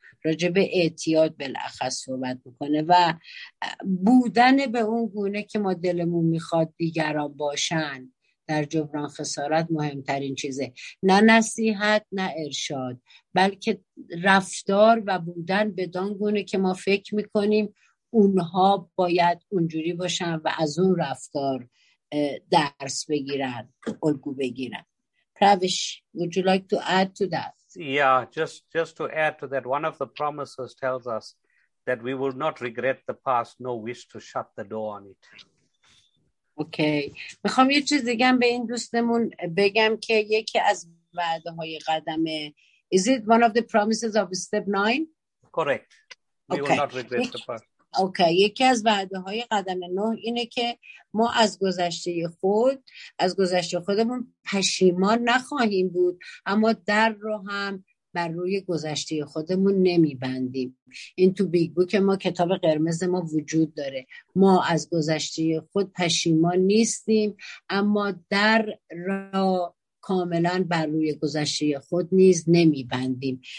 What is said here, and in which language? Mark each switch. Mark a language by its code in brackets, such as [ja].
[fa] راجب اعتیاد بالاخص صحبت میکنه و بودن به اون گونه که ما دلمون میخواد دیگران باشن در جبران خسارت مهمترین چیزه. نه نصیحت نه ارشاد، بلکه رفتار و بودن بدان گونه که ما فکر میکنیم اونها باید اونجوری باشن و از اون رفتار درس بگیرن، الگو بگیرن. [en] پروش، would you like to add to that? Yeah, just to add to that, one of the promises tells us that we will not regret the past, no wish to shut the door on it. [fa] اوکی. میخوام یه چیز دیگه به این دوستمون بگم که یکی از وعده های قدمه. [en] Is it one of the promises of step 9? Correct. We okay. will not regret the past. [fa] اوکی. یکی از وعده های قدم 9 اینه که ما از گذشته خود، از گذشته خودمون پشیمان نخواهیم بود، اما در رو هم بر روی گذشته خودمون نمیبندیم. این تو بیگ بوک ما، کتاب قرمز ما وجود داره. ما از گذشته خود پشیمان نیستیم، اما در را کاملا بر روی گذشته خود نیز نمیبندیم.